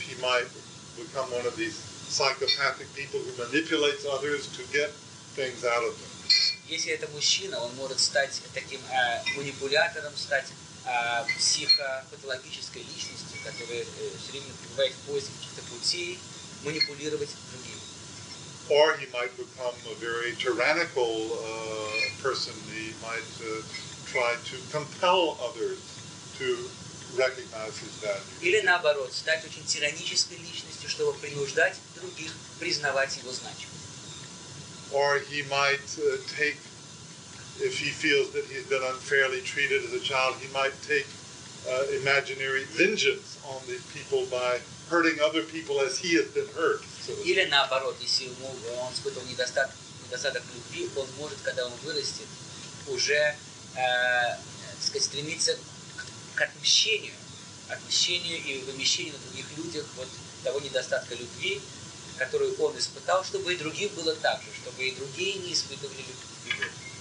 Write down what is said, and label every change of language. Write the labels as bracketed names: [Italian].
[English] He might become one of these psychopathic people who manipulates others to get things out of them. [Russian] Если это мужчина, он может стать таким манипулятором, стать психопатологической личностью, которая все время пребывает в поиске каких-то путей манипулировать другими. [English] Or he might become a very tyrannical person. He might try to compel others to recognize his value. [Russian] Или наоборот, стать очень тиранической личностью, чтобы принуждать других признавать его значимость. [English] Or he might take, if he feels that he's been unfairly treated as a child, he might take imaginary vengeance on these people by hurting other people as he has been hurt. [Russian] Или наоборот, если он испытывал недостаток любви, он может, когда он вырастет, уже стремиться к отмщению и вымещению на других людях вот того недостатка любви, который он испытал, чтобы и другим было так же, чтобы и другие не испытывали любви.